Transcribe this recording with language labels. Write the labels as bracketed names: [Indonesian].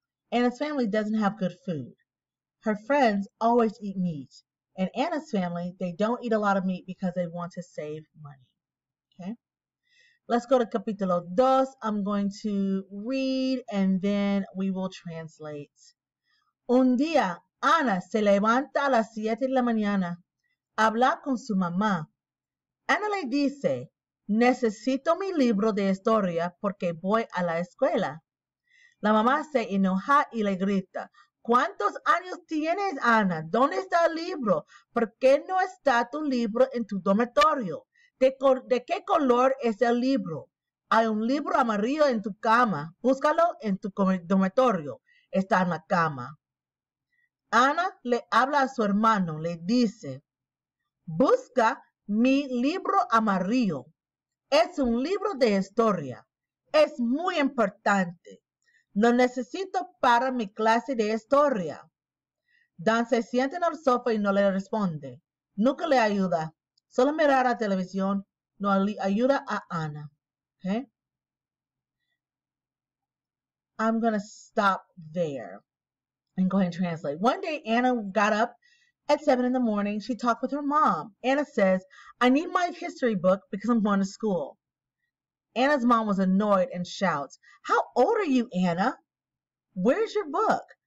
[English] Anna's family doesn't have good food. Her friends always eat meat. And Anna's family, they don't eat a lot of meat because they want to save money. Okay. Let's go to capítulo dos. I'm going to read and then we will translate. [Spanish] Un día, Anna se levanta a las 7 de la mañana. Habla con su mamá. Anna le dice, necesito mi libro de historia porque voy a la escuela. La mamá se enoja y le grita, ¿cuántos años tienes, Ana? ¿Dónde está el libro? ¿Por qué no está tu libro en tu dormitorio? ¿De qué color es el libro? Hay un libro amarillo en tu cama. Búscalo en tu dormitorio. Está en la cama. Ana le habla a su hermano, le dice, busca mi libro amarillo. Es un libro de historia. Es muy importante. Lo necesito para mi clase de historia. Dan se sienta en el sofá y no le responde. Nunca le ayuda. Solo mirar la televisión no ayuda a Ana. [English] Okay. I'm gonna stop there and go ahead and translate. One day, Anna got up at 7 in the morning. She talked with her mom. Anna says, I need my history book because I'm going to school. Anna's mom was annoyed and shouts, how old are you, Anna? Where's your book?